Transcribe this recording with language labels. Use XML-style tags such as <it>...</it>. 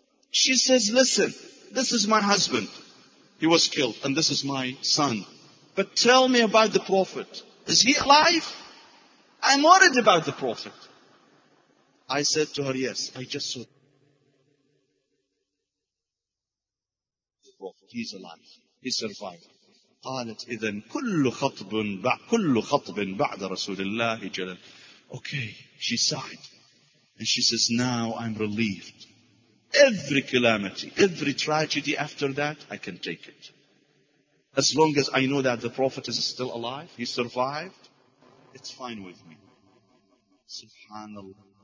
<en>She says, 'Listen, this is my husband. He was killed, and this is my son. But tell me about the Prophet. Is he alive? I'm worried about the Prophet.' I said to her, 'Yes, I just saw the Prophet. He's alive. He survived.'</en> <ar>قالت إذن كل خطب بعد رسول الله جل.</ar> <en>Okay, she sighed, and she says, 'Now I'm relieved. Every calamity, every tragedy after that, I can take it. As long as I know that the Prophet is still alive, he survived, it's fine with me.'" Subhanallah.</en>